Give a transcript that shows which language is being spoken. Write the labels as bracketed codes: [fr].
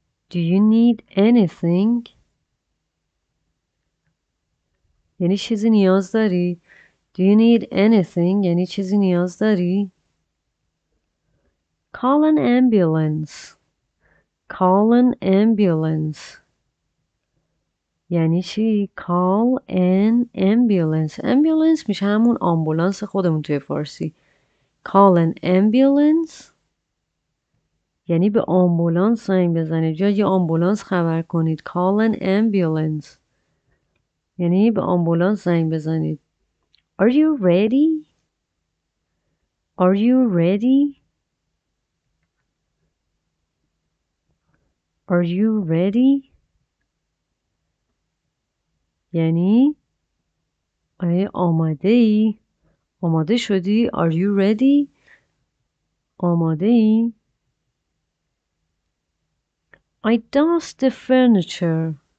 [en] Do you need anything? [fa] یعنی چیزی نیاز داری؟ [en] Do you need anything؟ [fa] یعنی چیزی نیاز داری؟ [en] Call an ambulance. Call an ambulance. [fa] یعنی چی؟ [en] Call an ambulance. [fa] Ambulance میشه همون آمبولانس خودمون توی فارسی. [en] Call an ambulance. [fa] یعنی به آمبولانس زنگ بزنید یا یه آمبولانس خبر کنید. [en] Call an ambulance. [fa] یعنی به آمبولانس زنگ بزنید. [en] Are you ready? Are you ready? Are you ready? [fa] یعنی آیا آماده ای؟ آماده شدی؟ [en] Are you ready? [fa] آماده ای؟ [en] I dust the furniture.